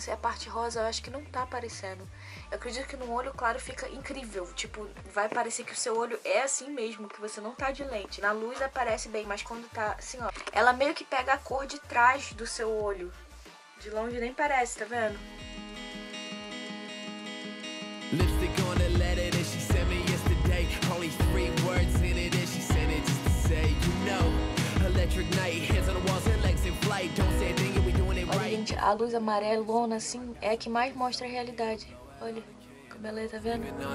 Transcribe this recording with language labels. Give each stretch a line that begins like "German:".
Portuguese: Se é a parte rosa, eu acho que não tá aparecendo. Eu acredito que no olho claro fica incrível. Tipo, vai parecer que o seu olho é assim mesmo, que você não tá de lente. Na luz aparece bem, mas quando tá assim, ó, ela meio que pega a cor de trás do seu olho. De longe nem parece, tá vendo?
English: Lipstick on the letter that she sent me yesterday. Only three words in it and she sent it just to say, you know, electric night, hands on the walls and legs in flight. Don't say a thing, we're doing it right.
Portuguese: Olha, gente, a luz amarelona assim é a que mais mostra a realidade. Olha, que beleza, tá vendo?